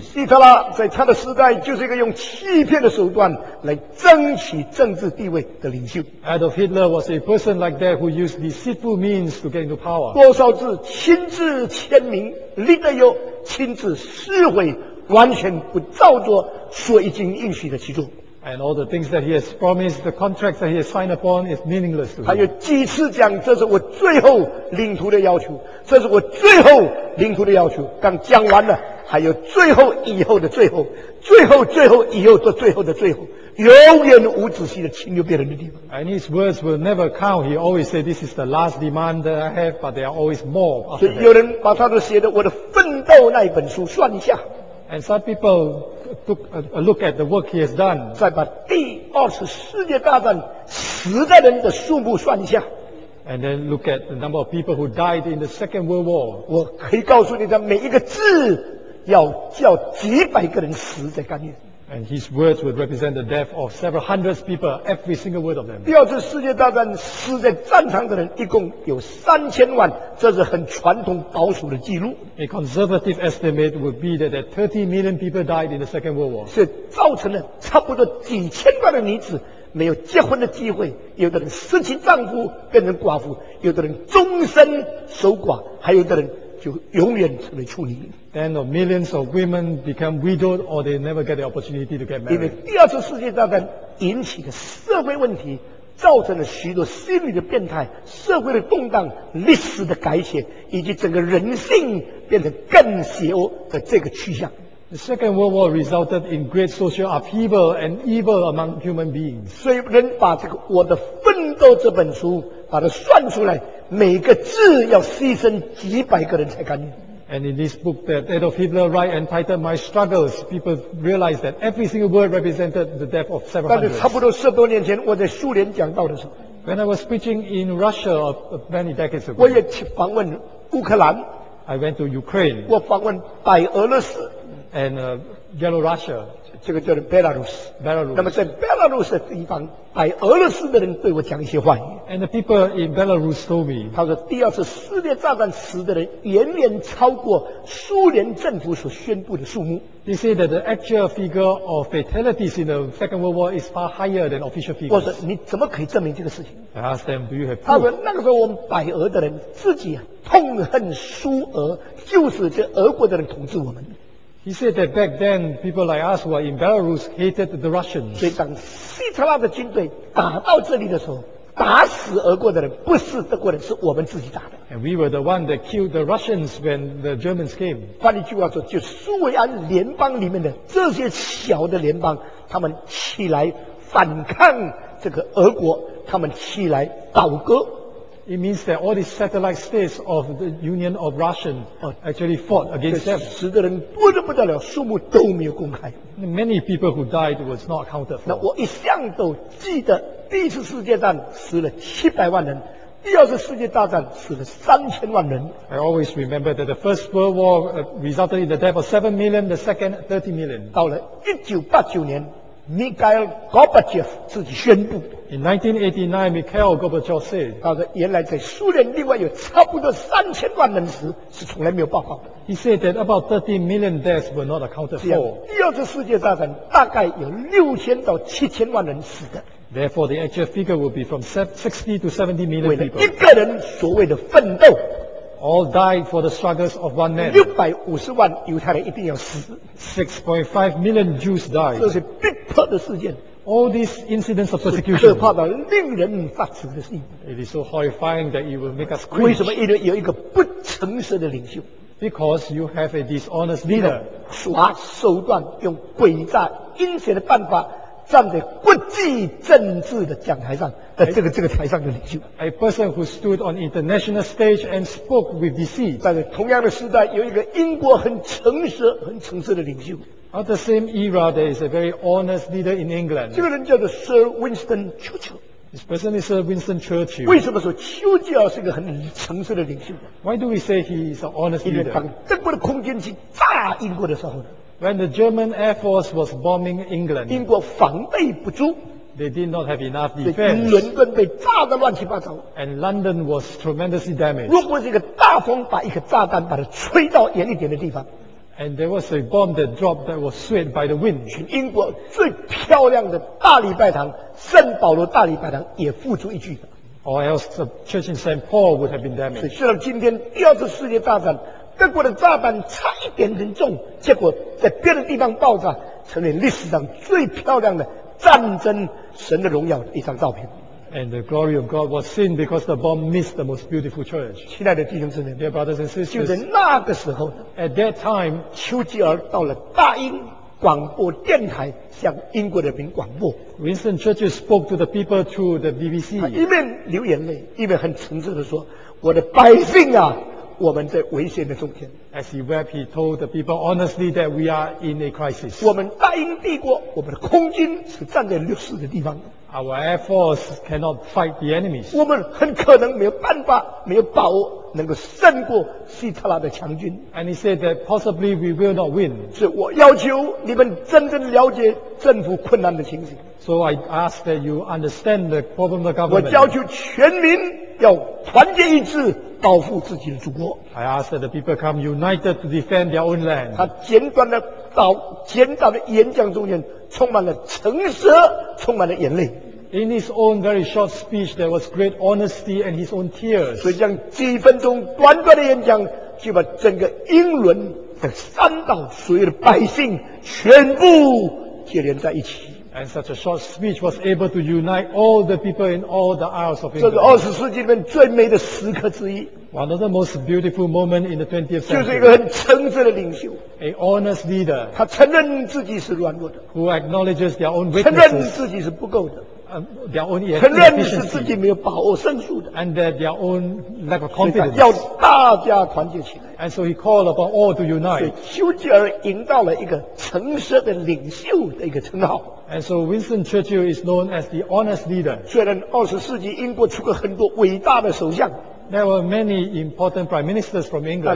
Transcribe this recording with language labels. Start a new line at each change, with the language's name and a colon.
Chinese: 希特拉在他的时代就是一个用欺骗的手段来争取政治地位的领袖。
English: Adolf Hitler was a person like that who used deceitful means to get into power.
Chinese: 多少次亲自签名，立得有亲自撕毁，完全不照着所已经应许的去做。
English: And all the things that he has promised, the contracts that he has signed upon is meaningless to him.
Chinese: 他有几次讲，这是我最后领徒的要求，这是我最后领徒的要求。刚讲完了，还有最后以后的最后，最后最后以后的最后的最后，永远无止息的侵略别人的地方。
English: And his words will never count. He always said, "This is the last demand that I have," but there are always more.
Chinese: 所以有人把他都写的我的奋斗那一本书算一下。
English: And some people took a look at the work he has done.
Chinese: 再把第二次世界大战死的人的数目算一下。
English: And then look at the number of people who died in the Second World War.
Chinese: 我可以告诉你的每一个字要叫几百个人死才甘愿。
English: And his words would represent the death of several hundreds of people, every single word of them.
Chinese: 第二次世界大战死在战场的人一共有3000万，这是很传统保守的记录。
English: A conservative estimate would be that 30 million people died in the Second World War.
Chinese: 是造成了差不多几千万的女子没有结婚的机会，有的人失去丈夫变成寡妇，有的人终身守寡，还有的人就永远成为处女。
English: Then millions of women become widowed or they never get the opportunity to get married.
Chinese: 因为第二次世界大战引起的社会问题，造成了许多心理的变态、社会的动荡、历史的改写，以及整个人性变成更邪恶的这个趋向。
English: The Second World War resulted in great social upheaval and evil among human beings.
Chinese: 所以人把这个《我的奋斗》这本书把它算出来，每个字要牺牲几百个人才甘愿。
English: And in this book that Adolf Hitler write entitled My Struggles, people realize that every single word represented the death of several hundreds.
Chinese: 但是差不多十多年前我在苏联讲到的时候，
English: When I was preaching in Russia of many decades ago,
Chinese: 我也去访问乌克兰，
English: I went to Ukraine,
Chinese: 我访问白俄罗斯，
English: and Yellow Russia,
Chinese: 这个叫做 Belarus,
English: Belarus.
Chinese: 那么在 Belarus 的地方，白俄罗斯的人对我讲一些话。
English: And the people in Belarus told me,
Chinese: 他说第二次世界大战死的人远远超过苏联政府所宣布的数目。
English: They say that the actual figure of fatalities in the Second World War is far higher than official figures.
Chinese: 我说你怎么可以证明这个事情？
English: I asked them, do you have proof?
Chinese: 他说那个时候我们白俄的人自己痛恨苏俄，就是这俄国的人统治我们。
English: He said that back then, people like us who are in Belarus hated the Russians.
Chinese: 所以当希特拉的军队打到这里的时候，打死俄国的人不是德国人，是我们自己打的。
English: And we were the one that killed the Russians when the Germans came.
Chinese: 换一句话说，就苏维埃联邦里面的这些小的联邦，他们起来反抗这个俄国，他们起来倒戈。
English: It means that all these satellite states of the Union of Russian actually fought against them.
Chinese: 死的人多得不得了，数目都没有公开。
English: Many people who died was not counted for.
Chinese: 那我一向都记得，第一次世界大战死了700万人，第二次世界大战死了3000万人。
English: I always remember that the First World War resulted in the death of 7 million, the second 30 million.
Chinese: 到了1989年。Mikhail Gorbachev 自己宣布。
English: In 1989, Mikhail Gorbachev said,
Chinese: 他说原来在苏联另外有差不多3000万人死是从来没有报告的。
English: He said that about 30 million deaths were not accounted for.
Chinese: 第二次世界大战大概有6000到7000万人死的。
English: Therefore, the actual figure would be from 60 to 70 million people.
Chinese: 为了一个人所谓的奋斗。
English: All died for the struggles of one man.
Chinese: 650万犹太人一定要死。
English: 6.5 million Jews died.
Chinese: 这是逼迫的事件。
English: All these incidents of persecution.
Chinese: 是可怕的，令人发指的事情。
English: It is so horrifying that it will make us cringe.
Chinese: 为什么？因为有一个不诚实的领袖。
English: Because you have a dishonest leader.
Chinese: 耍手段，用诡诈、阴险的办法，站在国际政治的讲台上。这个台上的领袖
English: ，A person who stood on international stage and spoke with deceit。
Chinese: 但是同样的时代，有一个英国很诚实、很诚实的领袖。
English: At the same era, there is a very honest leader in England。
Chinese: 这个人叫做 Sir Winston Churchill。
English: This person is Sir Winston Churchill。
Chinese: 为什么说丘吉尔是一个很诚实的领袖
English: ？Why do we say he is an honest leader？
Chinese: 因为当德国的空军去炸英国的时候呢
English: ？When the German Air Force was bombing England，
Chinese: 英国防备不足。
English: They did not have enough defense.
Chinese: 伦敦被炸得乱七八糟。
English: And London was tremendously damaged.
Chinese: 如果是一个大风把一个炸弹把它吹到远一点的地方。
English: And there was a bomb that dropped that was swayed by the wind.
Chinese: 英国最漂亮的大礼拜堂，圣保罗大礼拜堂也付诸一炬。
English: Or else the church in St. Paul would have been damaged.
Chinese: 虽然今天第二次世界大战，德国的炸弹差一点很重，结果在别的地方爆炸，成为历史上最漂亮的炸战争神的荣耀的一张照片。
English: And the glory of God was seen because the bomb missed the most beautiful church.
Chinese: 亲爱的弟兄姊妹
English: ，Dear brothers and sisters，
Chinese: 就在那个时候
English: ，At that time，
Chinese: 丘吉尔到了大英广播电台向英国人民广播。
English: Winston Churchill spoke to the people through the BBC.
Chinese: 他一面流眼泪，一面很诚挚地说：“我的百姓啊，我们在危险的中间。”
English: As he wept, he told the people honestly that we are in a crisis.
Chinese: 我们大英帝国，我们的空军是站在劣势的地方。
English: Our air force cannot fight the enemies.
Chinese: 我们很可能没有办法，没有把握能够胜过希特拉的强军。
English: And he said that possibly we will not win.
Chinese: 所以我要求你们真正了解政府困难的情形。
English: So I ask that you understand the problem of the government.
Chinese: 我要求全民要团结一致，保护自己的祖国。
English: I ask that the people come united to defend their own land.
Chinese: 他简短的演讲中间。充满了诚实，充满了眼泪。
English: In his own very short speech, there was great honesty and his own tears.
Chinese: 所以，这样几分钟短短的演讲，就把整个英伦的三岛所有的百姓全部接连在一起。
English: And such a short speech was able to unite all the people in all the Isles of England.
Chinese: 这是二十世纪里面最美的时刻之一。
English: One of the most beautiful moments in the 20th century.
Chinese: 就是一个很诚实的领袖。
English: A honest leader.
Chinese: 他承认自己是软弱的。
English: Who acknowledges their own weaknesses.
Chinese: 承认自己是不够的。
English: Their own inefficiency.
Chinese: 承认是自己没有把握胜数的。
English: And their own lack of confidence.
Chinese: 所以要大家团结起来。
English: And so he called upon all to unite.
Chinese: 所以丘吉尔赢到了一个诚实的领袖的一个称号。
English: And so Winston Churchill is known as the honest leader.
Chinese: 虽然二十世纪英国出过很多伟大的首相。
English: There were many important prime ministers from England.